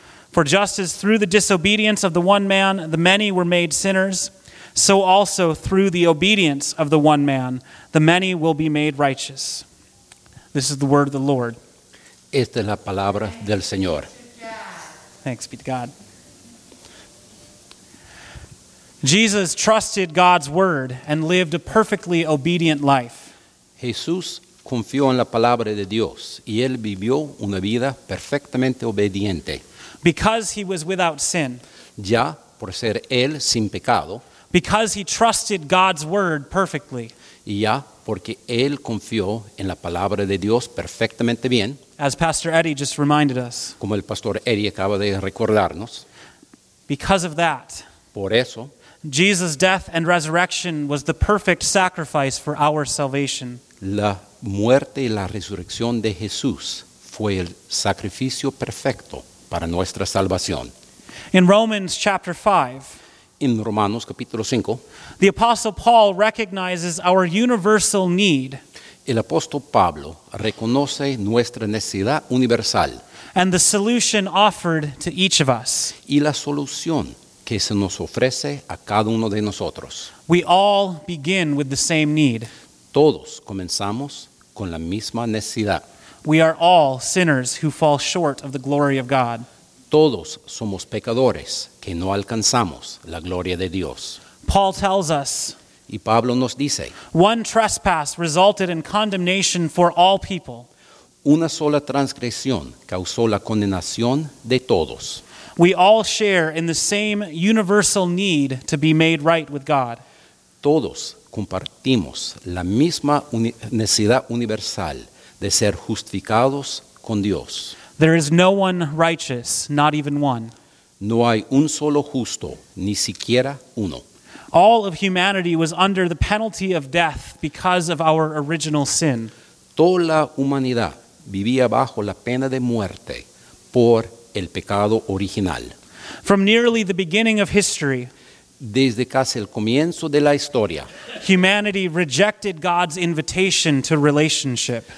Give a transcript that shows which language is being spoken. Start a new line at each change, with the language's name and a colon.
English: For just as through the disobedience of the one man, the many were made sinners, so also through the obedience of the one man, the many will be made righteous. This is the word of the Lord.
Spanish: Esta es la palabra del Señor.
English: Thanks be to God. Jesus trusted God's word and lived a perfectly obedient life.
Spanish: Jesús confió en la palabra de Dios y él vivió una vida perfectamente obediente.
English: Because he was without sin.
Spanish: Ya por ser él sin pecado.
English: Because he trusted God's word perfectly.
Spanish: Y ya porque él confió en la palabra de Dios perfectamente bien.
English: As Pastor Eddie just reminded us.
Spanish: Como el Pastor Eddie acaba de recordarnos.
English: Because of that.
Spanish: Por eso.
English: Jesus' death and resurrection was the perfect sacrifice for our salvation.
Spanish: La muerte y la resurrección de Jesús fue el sacrificio perfecto para nuestra salvación.
English: In Romans chapter 5,
Spanish: en Romanos capítulo 5,
English: the Apostle Paul recognizes our universal need.
Spanish: El apóstol Pablo reconoce nuestra necesidad universal.
English: And the solution offered to each of us.
Spanish: Y la solución que se nos ofrece a cada uno de nosotros.
English: We all begin with the same need.
Spanish: Todos comenzamos con la misma necesidad.
English: We are all sinners who fall short of the glory of God.
Spanish: Todos somos pecadores que no alcanzamos la gloria de Dios.
English: Paul tells us.
Spanish: Y Pablo nos dice.
English: One trespass resulted in condemnation for all people.
Spanish: Una sola transgresión causó la condenación de todos.
English: We all share in the same universal need to be made right with God.
Spanish: Todos compartimos la misma necesidad universal de ser justificados con Dios.
English: There is no one righteous, not even one.
Spanish: No hay un solo justo, ni siquiera uno.
English: All of humanity was under the penalty of death because of our original sin.
Spanish: Toda la humanidad vivía bajo la pena de muerte por el pecado original.
English: From nearly the beginning of history,
Spanish: desde casi el comienzo de la historia,
English: humanity rejected God's invitation to relationship.